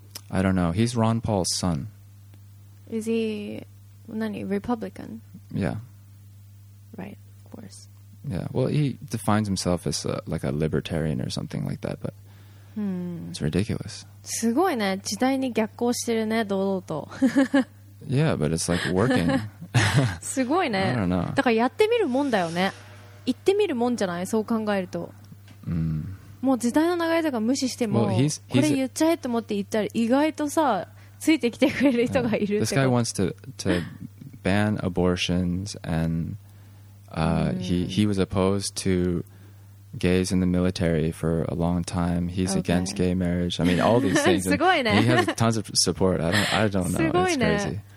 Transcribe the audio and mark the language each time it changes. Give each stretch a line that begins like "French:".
English: I don't know. He's Ron Paul's son. Is he Republican? Yeah. Right, of course. Yeah. Well, he defines himself as like a libertarian or something like that, but it's ridiculous.
Japanese: すごいね。時代に逆行してるね、堂々と。
English: Yeah, but it's like working.
Japanese: すごいね。
English: I don't know.
Japanese: だからやってみるもんだよね。行ってみるもんじゃない？そう考えると。もう時代の流れとか無視しても、
English: well,
Japanese: これ言っちゃえと思って言ったら意外とさ、ついてきてくれる人がいるってこと。
English: This guy wants to ban abortions and he was opposed to gays in the military for a long time. He's against gay marriage. I mean, all these things.
Japanese: すごいね。
English: He has tons of support. I don't know.
Japanese: すごいね。
English: It's crazy.